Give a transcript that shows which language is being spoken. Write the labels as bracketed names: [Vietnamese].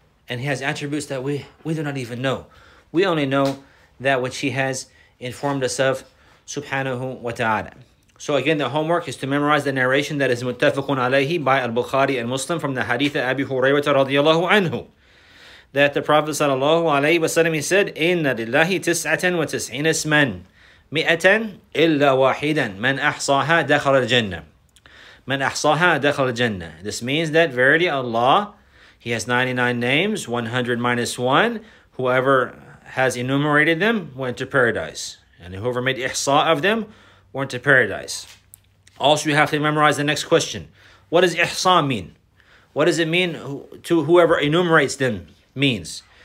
[English] And he has attributes that we do not even know. We only know that which he has informed us of, subhanahu wa ta'ala. So again, the homework is to memorize the narration that is muttafaqun alayhi by al-Bukhari and Muslim from the hadith of Abi Hurayrah radiallahu anhu. That the Prophet sallallahu alayhi wa sallam, he said, [Arabic] إِنَّ لِلَّهِ تِسْعَةً وَتِسْعِينَ اسْمًا مِئَةً إِلَّا وَاحِدًا مَنْ أَحْصَاهَا دَخَلَ الْجَنَّةِ مَنْ أَحْصَاهَا دَخَلَ الْجَنَّةِ. [English] This means that verily Allah, he has 99 names, 100 minus 1, whoever has enumerated them went to paradise. And whoever made ihsa of them went to paradise. Also, you have to memorize the next question. What does ihsa mean? What does it mean to whoever enumerates them means?